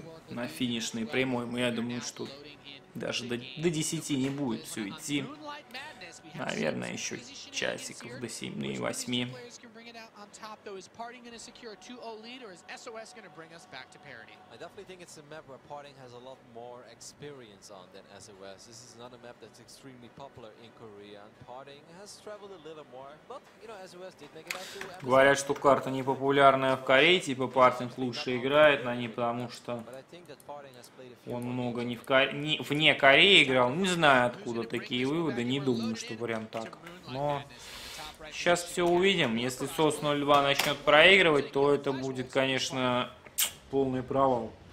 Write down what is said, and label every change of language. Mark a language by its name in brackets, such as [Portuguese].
[Russian] На финишной прямой, мы, я думаю, что даже до 10 не будет все идти. Наверное, еще часиков до 7 и 8. [English] On top though, is Parting going to secure a 2-0 lead, or is SOS going to bring us back to parity? I definitely think it's a map where Parting has a lot more experience on than SOS. This is not a map that's extremely popular in Korea, and Parting has traveled a little more, but you know, SOS did make it out to... [Russian] Говорят, что карта не популярная в Корее, типа Parting лучше играет на ней, потому что он много вне Кореи играл. Не знаю, откуда такие выводы, не думаю, что вариант так, но... Сейчас все увидим. Если Сос 0-2 начнет проигрывать, то это будет, конечно, полный провал.